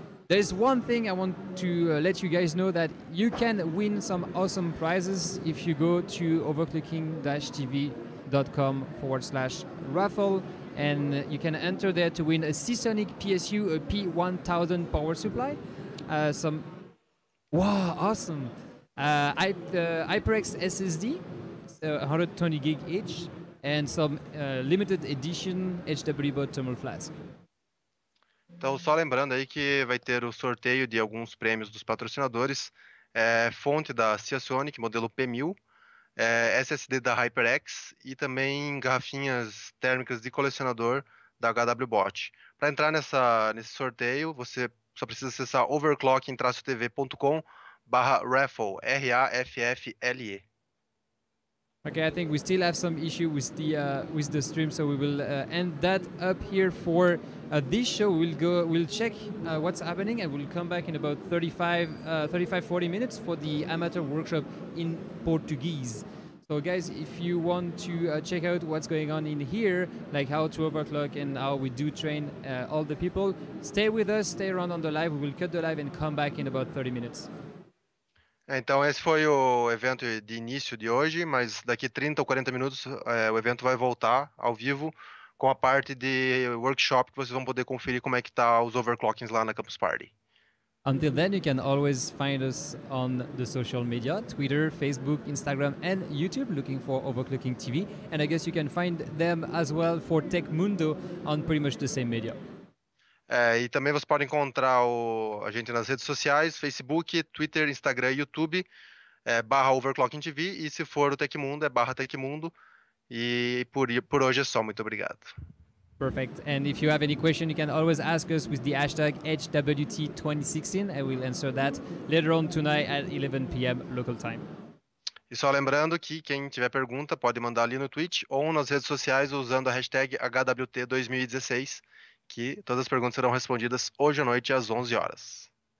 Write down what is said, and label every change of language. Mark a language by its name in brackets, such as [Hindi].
[English] There's one thing I want to let you guys know, that you can win some awesome prizes if you go to overclocking-tv.com/raffle, and you can enter there to win a Seasonic PSU, a P1000 power supply, HyperX SSD, 120 gig each, and some limited edition HWBOT thermal flask. [Portuguese] Então, só lembrando aí que vai ter o sorteio de alguns prêmios dos patrocinadores. Fonte da Seasonic, modelo P1000, SSD da HyperX e também garrafinhas térmicas de colecionador da HWBOT. Para entrar nesse sorteio, você só precisa acessar overclocking-tv.com/raffle, R-A-F-F-L-E. [English] Okay, I think we still have some issue with the stream, so we will end that up here for this show. We'll check what's happening, and we'll come back in about 35-40 minutes for the amateur workshop in Portuguese. So guys, if you want to check out what's going on in here, like how to overclock and how we do train all the people, stay with us, stay around on the live. We will cut the live and come back in about 30 minutes. [Portuguese] Então, esse foi o evento de início de hoje, mas daqui 30 ou 40 minutos o evento vai voltar ao vivo com a parte de workshop, que vocês vão poder conferir como é que tá os overclockings lá na Campus Party. [English] Until then, you can always find us on the social media, Twitter, Facebook, Instagram and YouTube, looking for Overclocking TV. And I guess you can find them as well for Tecmundo on pretty much the same media. [Portuguese] E também você pode encontrar a gente nas redes sociais, Facebook, Twitter, Instagram e YouTube, /OverclockingTV, e se for o Tecmundo, /Tecmundo, e por hoje é só, muito obrigado. [English] Perfect, and if you have any question, you can always ask us with the hashtag HWT2016, I will answer that later on tonight at 11 PM local time. [Portuguese] E só lembrando que quem tiver pergunta pode mandar ali no Twitch ou nas redes sociais usando a hashtag HWT2016, que todas as perguntas serão respondidas hoje à noite às 11 horas.